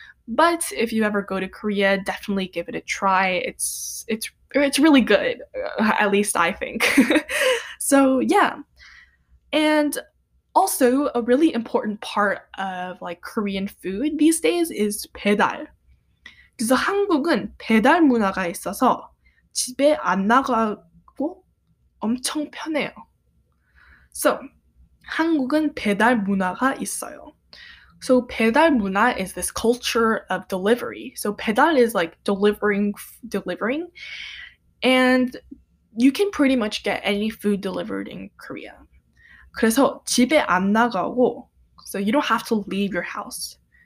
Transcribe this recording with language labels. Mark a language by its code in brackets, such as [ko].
[en] But if you ever go to Korea, definitely give it a try. It's really good, at least I think. So yeah. And also a really important part of like Korean food these days is 배달. [ko] 그래서 한국은 배달 문화가 있어서 집에 안 나가고 엄청 편해요. So 한국은 배달 문화가 있어요. [en] So 배달 문화 is this culture of delivery. So 배달 is like delivering. And you can pretty much get any food delivered in Korea. [ko] 그래서 집에 안 나가고, [en] so you don't have to leave your house.